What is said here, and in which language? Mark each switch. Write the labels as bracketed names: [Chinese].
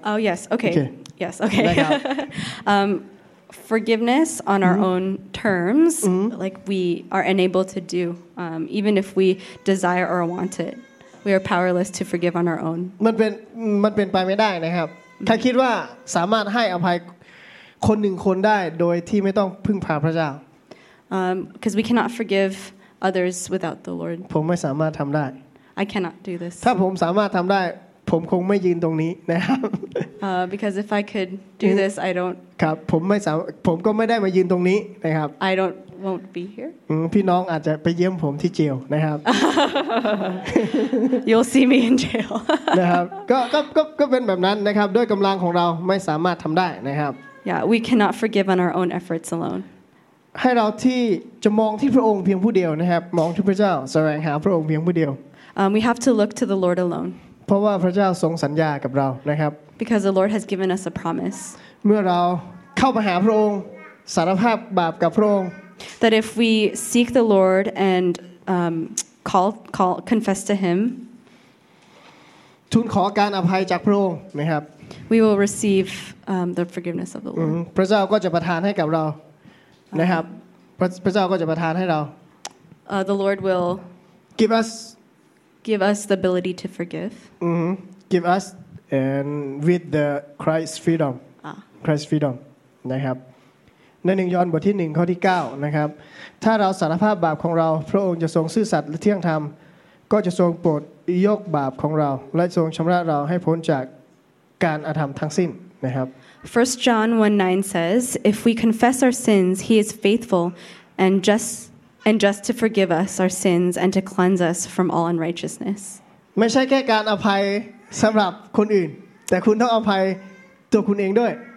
[English] oh yes okay yes okay forgiveness on our own terms like we are unable to do even if we desire or want it we are powerless to forgive on our own [Thai] มันเป็นไปไม่ได้นะครับถ้าคิดว่าสามารถให้อภัยคนหนึ่งคนได้โดยที่ไม่ต้องพึ่งพาพระเจ้า [English] because we cannot forgive others without the Lord [Thai] ผมไม่สามารถทำได้ [English] I cannot do this [Thai] ถ้าผมสามารถทำได้ผมคงไม่ยืนตรงนี้นะครับ [English] because if I could do this I don't [Thai] ครับผมก็ไม่ได้มายืนตรงนี้นะครับ [English] I don't won't be here [Thai] พี่น้องอาจจะไปเยี่ยมผมที่เจลนะครับ [English] you'll see me in jail [Thai] นะครับก็เป็นแบบนั้นนะครับด้วยกำลังของเราไม่สามารถทำได้นะครับ [English] Yeah, we cannot forgive on our own efforts alone. [Thai] ให้เราที่จะมองที่พระองค์เพียงผู้เดียวนะครับมองที่พระเจ้าแสวงหาพระองค์เพียงผู้เดียว [English] We have to look to the Lord alone. [Thai] เพราะว่าพระเจ้าทรงสัญญากับเรานะครับ [English] Because the Lord has given us a promise. [Thai] เมื่อเราเข้ามาหาพระองค์สารภาพบาปกับพระองค์ [English] That if we seek the Lord and call confess to him. [Thai] ทูลขอการอภัยจากพระองค์นะครับ [English] We will receive the forgiveness of the Lord. [Thai] พระเจ้าก็จะประทานให้กับเรานะครับพระเจ้าก็จะประทานให้เรา [English] The Lord will give us the ability to forgive. Give us and with the Christ freedom. Christ freedom. [Thai] นะครับใน1ยอห์นบทที่1ข้อที่9นะครับถ้าเราสารภาพบาปของเราพระองค์จะทรงซื่อสัตย์และเที่ยงธรรมก็จะทรงโปรดยกบาปของเราและทรงชำระเราให้พ้นจากการอธรรมทั้งสิ้นนะครับ [English] 1 John 1:9 says if we confess our sins he is faithful and just to forgive us our sins and to cleanse us from all unrighteousness [Thai] ไม่ใช่แค่การอภัยสําหรับคนอื่นแต่คุณต้องอภัยตัวคุณเองด้วย